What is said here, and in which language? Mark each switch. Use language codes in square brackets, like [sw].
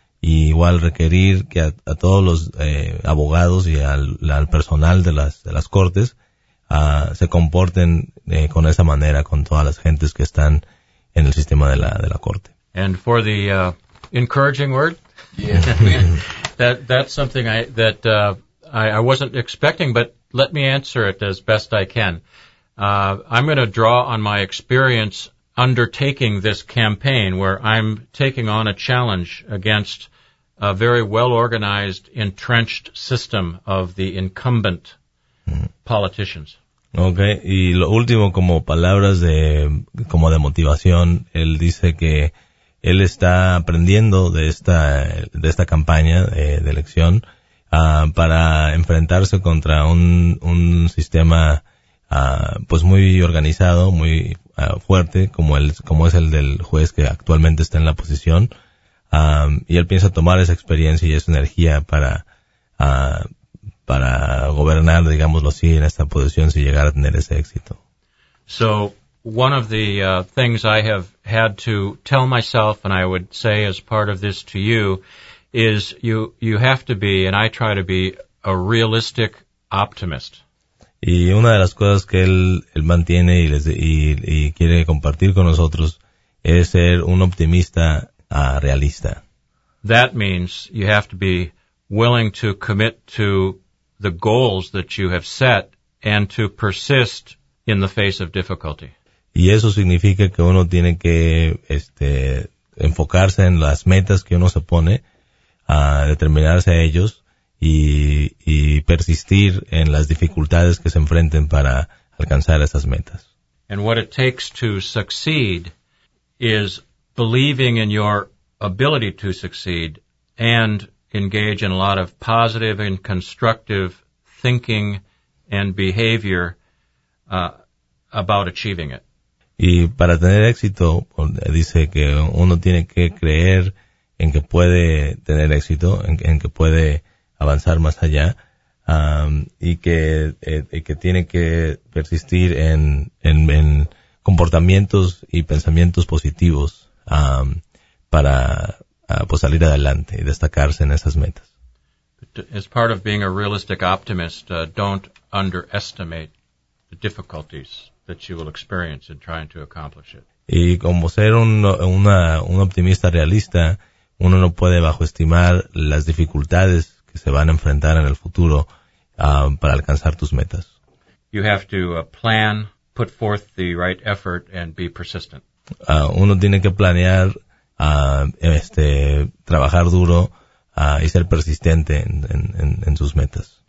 [es] Y igual requerir que a todos los abogados y al personal de las cortes se comporten con esa manera con todas las gentes que están en el sistema de la corte. [en] And for the encouraging word, that's something I wasn't expecting, but let me answer it as best I can. I'm going to draw on my experience undertaking this campaign, where I'm taking on a challenge against a very well-organized, entrenched system of the incumbent politicians. [es] Okay, y lo último, como palabras de motivación, él dice que él está aprendiendo de esta campaña de elección para enfrentarse contra un sistema pues muy organizado, muy fuerte, como es el del juez que actualmente está en la posición, y él piensa tomar esa experiencia y esa energía para gobernar, digámoslo así, en esta posición si llegara a tener ese éxito. [en] So, one of the things I have had to tell myself, and I would say as part of this to you, is you have to be, and I try to be, a realistic optimist. [es] Y una de las cosas que él mantiene y quiere compartir con nosotros es ser un optimista realista. [en] That means you have to be willing to commit to the goals that you have set and to persist in the face of difficulty. [es] Y eso significa que uno tiene que enfocarse en las metas que uno se pone, a determinarse a ellos y persistir en las dificultades que se enfrenten para alcanzar esas metas. [en] And what it takes to succeed is believing in your ability to succeed and engage in a lot of positive and constructive thinking and behavior about achieving it. [es] Y para tener éxito, dice que uno tiene que creer en que puede tener éxito, en que puede avanzar más allá, y que tiene que persistir en comportamientos y pensamientos positivos para salir adelante y destacarse en esas metas. [en] As part of being a realistic optimist, don't underestimate the difficulties that you will experience in trying to accomplish it. [es] Y como ser un optimista realista, uno no puede bajoestimar las dificultades que se van a enfrentar en el futuro para alcanzar tus metas. [en] You have to plan, put forth the right effort, and be persistent. [es] Uno tiene que planear, trabajar duro y ser persistente en sus metas.